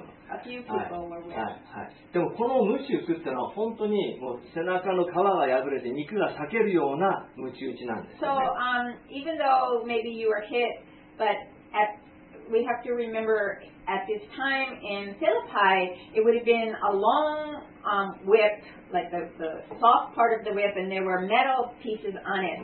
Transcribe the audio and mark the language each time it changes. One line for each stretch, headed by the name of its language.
English: A few people were whipped.
Japanese: でもこのムチ打つってのは本当にもう背中の皮が破れて肉が裂けるようなムチ打ちなんですよね。
English: So, even though maybe you were hit, but we have to remember at this time in Philippi, it would have been a long... whip, like the soft part of the whip, and there were metal pieces on it.